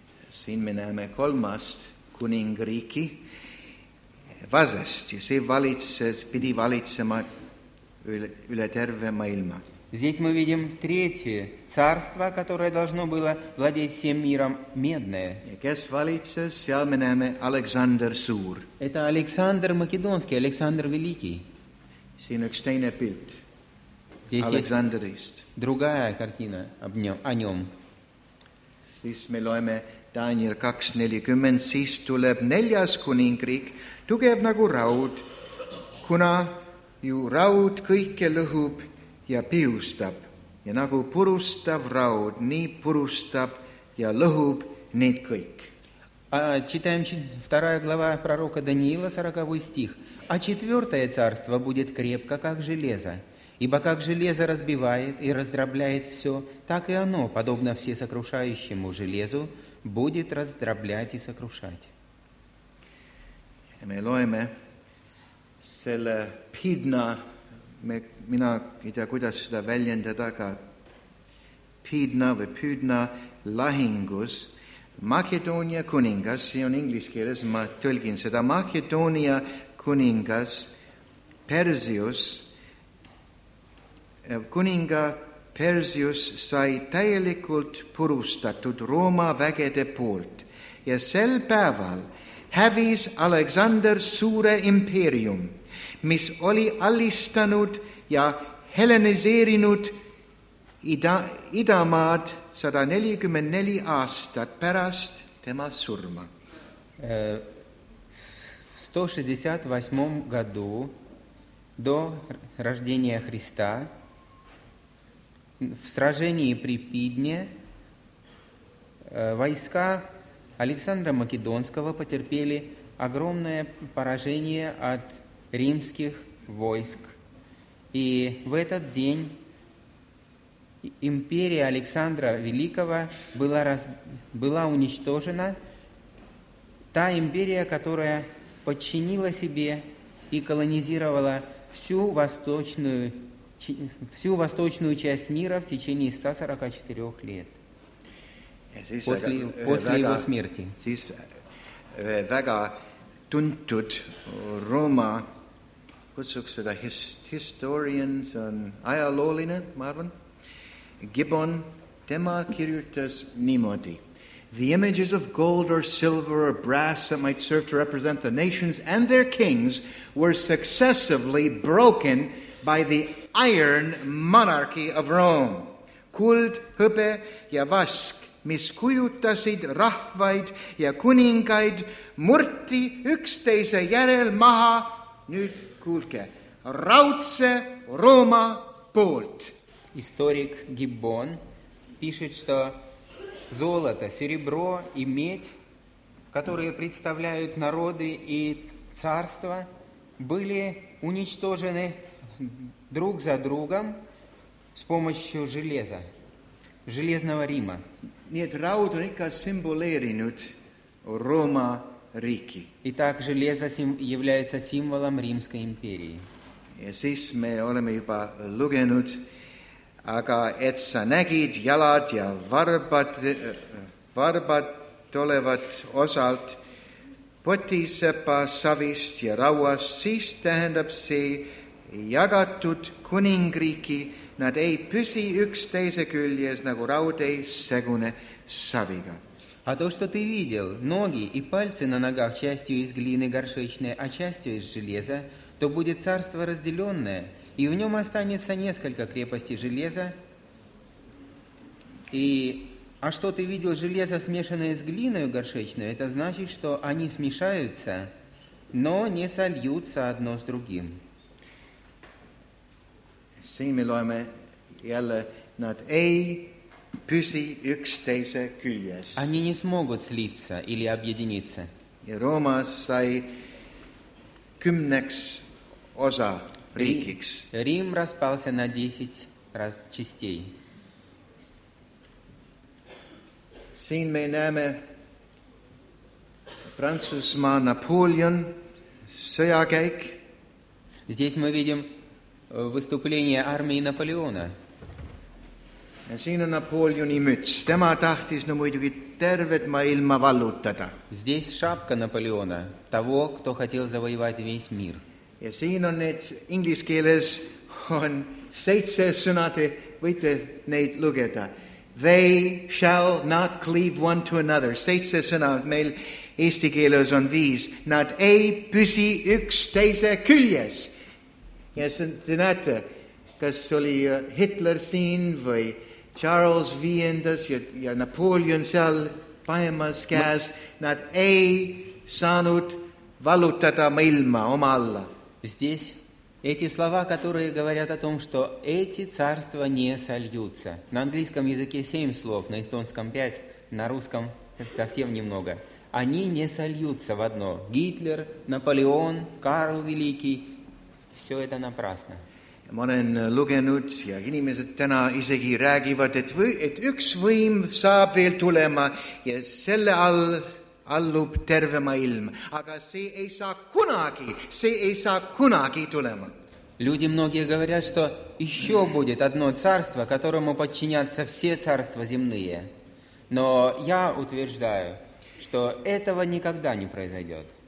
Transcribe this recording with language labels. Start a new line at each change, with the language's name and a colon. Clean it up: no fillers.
Estonian: Свин минаме колмаст кунинг рики, Vasest, see valitses, pidi valitsema üle terve maailma.
Russian: Здесь мы видим третье царство, которое должно было владеть всем миром, медное.
Estonian: Ja kes valitses, seal me näeme Aleksander Suur.
Russian: Это Александр Македонский, Александр Великий.
Estonian: Siin üks teine pilt.
Russian: Здесь Александрист. Другая картина о нем.
Estonian: Siis me loeme Daniel 2:40, siis tuleb neljas kuningriik, tugev nagu raud, kuna ju raud kõike lõhub ja piustab. Ja nagu purustav raud, nii purustab ja lõhub need kõik.
Russian: Читаем 2 глава пророка Даниила, 40 стих. А четвертое царство будет крепко, как железо. Ибо как железо разбивает и раздробляет все, так и оно, подобно всесокрушающему железу, будет раздроблять и сокрушать.
Estonian: Me loeme selle pidna, mina ei tea, kuidas seda väljendada, aga pidna või püdna lahingus Makedoonia kuningas, see on inglise keeles, ma tõlgin seda, Makedoonia kuningas Persius, kuninga Persius sai täielikult purustatud Rooma vägede poolt ja sel päeval hävis Aleksander suure impeerium, mis oli allistanud ja helleniseerinud idamaad 144 aastat pärast tema surma.
Russian: 168 году до рождения Христа в сражении при Пидне войска Александра Македонского потерпели огромное поражение от римских войск. И в этот день империя Александра Великого была уничтожена, та империя, которая подчинила себе и колонизировала всю восточную часть мира в течение 144 лет. После его смерти.
Estonian: Siis väga tuntud Rooma, kutsuks seda historian, see on ajalooline, ma arvan, Gibbon, tema kirjutas niimoodi.
English: The images of gold or silver or brass that might serve to represent the nations and their kings were successively broken by the iron monarchy of Rome.
Estonian: Kuld, hõbe ja vask, mis kujutasid rahvaid ja kuningaid, murti üksteise järel maha, nüüd kuulge, raudse Rooma poolt.
Russian: Историк Гиббон пишет, что золото, серебро и медь, которые представляют народы и царства, были уничтожены друг за другом с помощью железа, железного Рима.
Estonian: Нет, рауд он ика символеринут Рома рики.
Russian: Итак, железо является символом Римской империи.
Estonian: Ja siis me oleme juba lugenud, aga et sa nägid jalad ja varbad olevat osalt potisepa savist ja rauast, siis tähendab see jagatud kuningriiki, nad ei püsi üksteise küljes nagu raud ei segune. Шавига.
Russian: А то, что ты видел, ноги и пальцы на ногах, частью из глины горшечной, а частью из железа, то будет царство разделенное, и в нем останется несколько крепостей железа. И, а что ты видел, железо, смешанное с глиной горшечной, это значит, что они смешаются, но не сольются одно с другим.
Estonian: Siin me loeme jälle, nad ei püsi üks teise küljes.
Russian: Они не смогут слиться или объединиться.
Estonian: Ja Roomas sai kümneks osa riikiks.
Russian: Rim распался на 10 частей.
Estonian: Siin me näeme Prantsusmaa Napoleon sõjakäik.
Russian: Здесь мы видим выступление армии Наполеона.
Estonian: Ja siin on Napoleoni müts. Tema tahtis muidugi tervet maailma vallutada.
Russian: Здесь шапка Наполеона, того, кто хотел завоевать весь мир.
Estonian: Ja siin on need ingliskeeles on 7 sõnade, võite neid lugeda.
English: They shall not cleave one to another.
Estonian: 7 sõna meil eesti keeles on 5. Nad ei püsi üks teise küljes. Ja see, te näete, kas oli Hitler siin või Charles V ja Napoleon seal paemas käes, nad ei saanud vallutada maailma oma alla.
Russian: Здесь эти слова, которые говорят о том, что эти царства не сольются. На английском языке 7 слов, на эстонском 5, на русском совсем немного. Они не сольются в одно. Гитлер, Наполеон, Карл Великий. Все это напрасно.
Estonian: Ma olen lugenud ja inimesed täna isegi räägivad, et üks võim saab veel tulema ja selle all allub terve maailm. Aga see ei saa kunagi tulema.
Russian: Люди многие говорят, что еще будет одно царство, которому подчинятся все царства земные. Но я утверждаю, что этого никогда не произойдет.